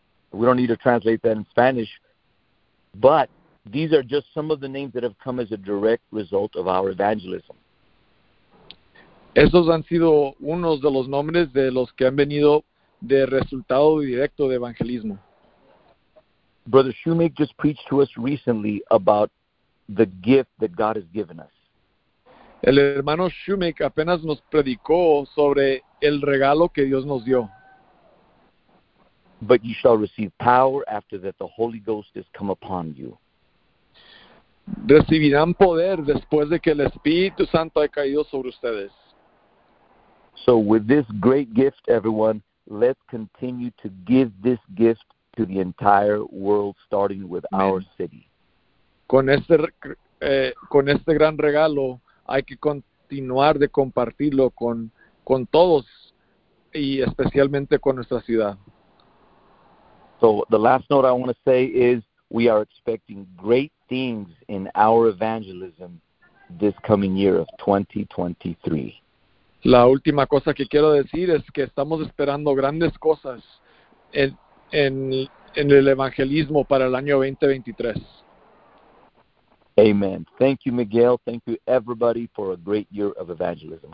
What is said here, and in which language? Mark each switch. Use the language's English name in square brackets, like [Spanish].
[English] We don't need to translate that in Spanish, but these are just some of the names that have come as a direct result of our evangelism. [Spanish] Esos han sido unos de los nombres de los que han venido de resultado directo de evangelismo. [English] Brother Shoemake just preached to us recently about the gift that God has given us. [Spanish] El hermano Shoemake apenas nos predicó sobre el regalo que Dios nos dio. [English] But you shall receive power after that the Holy Ghost has come upon you. [Spanish] Recibirán poder después de que el Espíritu Santo haya caído sobre ustedes. [English] So with this great gift, everyone, let's continue to give this gift to the entire world, starting with Amen. Our city. [Spanish] Con este gran regalo, hay que continuar de compartirlo con todos y especialmente con nuestra ciudad. [English] So the last note I want to say is we are expecting great things in our evangelism this coming year of 2023. [Spanish] La última cosa que quiero decir es que estamos esperando grandes cosas en el evangelismo para el año 2023. [English] Amen. Thank you, Miguel. Thank you, everybody, for a great year of evangelism.